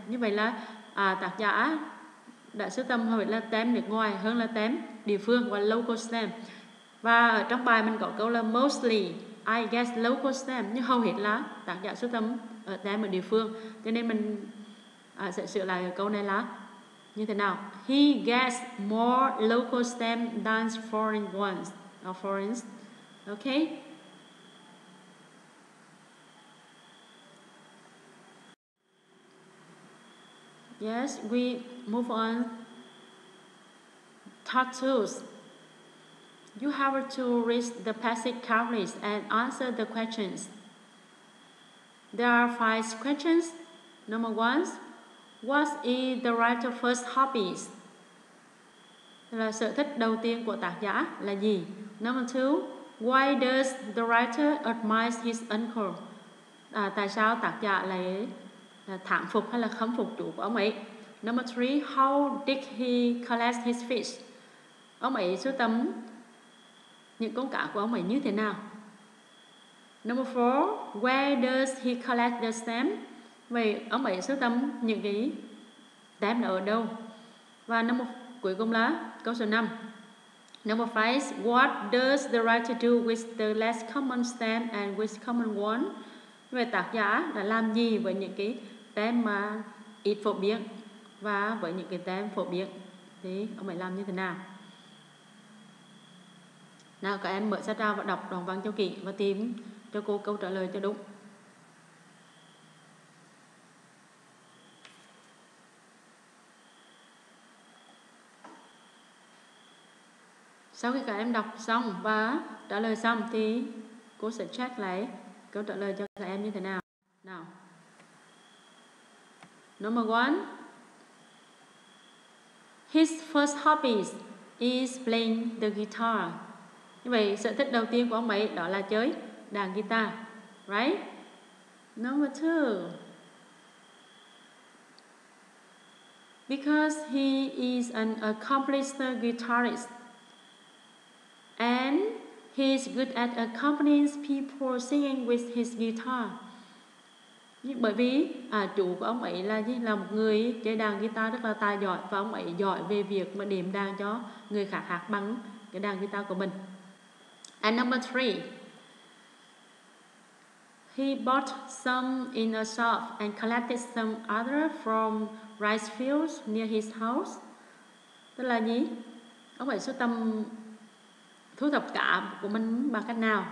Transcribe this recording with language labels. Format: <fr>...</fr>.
<vi>Như vậy là tác giả đã sưu tầm hồi là stamp nước ngoài hơn là stamp địa phương và local stamp. Và ở trong bài mình có câu là</vi> <en>mostly, I guess local stamp.</en> <vi>Nhưng hầu hết là tác giả sưu tầm ở stamp ở địa phương. Cho nên mình sẽ sửa lại câu này là như thế nào?</vi> <en>He gets more local stamps than foreign ones. Or foreigns. Okay? Yes, we move on. Tattoos. You have to read the passage carefully and answer the questions. There are 5 questions. Number 1. What is the writer's first hobbies?</en> <vi>Là sở thích đầu tiên của tác giả là gì?</vi> <en>Number 2, why does the writer admire his uncle?</en> <vi>Tại sao tác giả lại thán phục hay là khâm phục chủ của ông ấy?</vi> <en>Number 3, how did he collect his fish?</en> <vi>Ông ấy sưu tầm những con cá của ông ấy như thế nào?</vi> <en>Number 4, where does he collect the stamp?</en> <vi>Vậy ông ấy sưu tầm những cái stamp nó ở đâu? Và number, cuối cùng là câu số 5.</vi> <en>Number 5, what does the writer do with the less common stamp and with common one?</en> <vi>Vậy tác giả đã làm gì với những cái stamp mà ít phổ biến và với những cái stamp phổ biến? Thì ông ấy làm như thế nào? Nào các em mở sách ra và đọc đoạn văn cho kỹ và tìm cho cô câu trả lời cho đúng. Sau khi các em đọc xong và trả lời xong thì cô sẽ check lại câu trả lời cho các em như thế nào. Nào.</vi> <en>Number one, his first hobby is playing the guitar.</en> <vi>Như vậy, sở thích đầu tiên của ông ấy đó là chơi đàn guitar, right?</vi> <en>Number two, because he is an accomplished guitarist and he is good at accompanying people singing with his guitar.</en> <vi>Bởi vì chủ của ông ấy là một người chơi đàn guitar rất là tài giỏi và ông ấy giỏi về việc mà điểm đàn cho người khác hát bằng cái đàn guitar của mình.</vi> <en>And number three, he bought some in a shop and collected some other from rice fields near his house.</en> <vi>Tức là gì? Ông ấy sưu tầm thu thập cá của mình bằng cách nào?</vi>